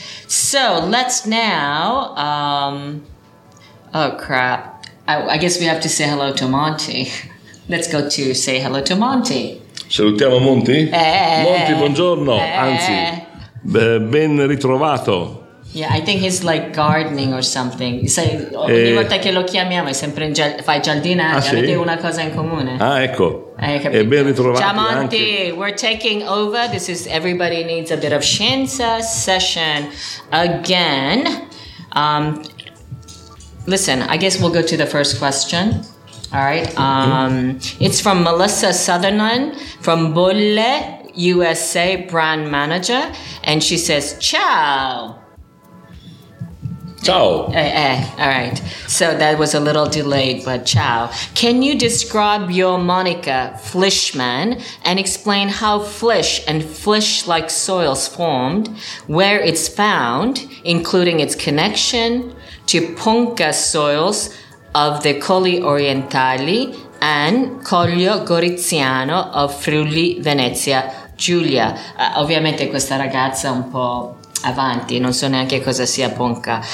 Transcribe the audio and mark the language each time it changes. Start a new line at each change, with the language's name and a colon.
English: So let's now, oh, crap. I guess we have to say hello to Monty. Let's go to say hello to Monty.
Italian: Salutiamo Monti. Monti, buongiorno. Anzi, ben ritrovato.
English: Yeah, I think he's like gardening or something.
Italian: Sai, ogni volta che lo chiamiamo è sempre in fai giardinare. Ah, avete sì? Una cosa in comune. Ah, ecco. E ben ritrovato. Ciao Monti, anche.
English: We're taking over. This is Everybody Needs a Bit of Scienza session again. Listen, I guess we'll go to the first question. All right. It's from Melissa Sutherland from Bolle, USA, brand manager. And she says, ciao.
Italian: Ciao.
English: All right. So that was a little delayed, but ciao. Can you describe your moniker, Flishman, and explain how flish and flish-like soils formed, where it's found, including its connection to Ponca soils, of the Colli Orientali and Collio Goriziano of Friuli Venezia Giulia.
Italian: Ovviamente questa ragazza è un po' avanti, non so neanche cosa sia Ponca.